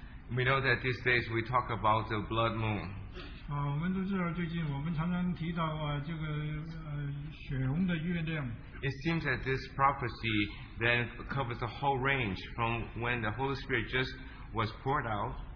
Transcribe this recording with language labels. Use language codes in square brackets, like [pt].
[en] We know that these days we talk about the blood moon. [zh] 我们都知道最近我们常常提到这个血红的月亮。 [en] It seems that this prophecy then covers the whole range from when the Holy Spirit just was poured out.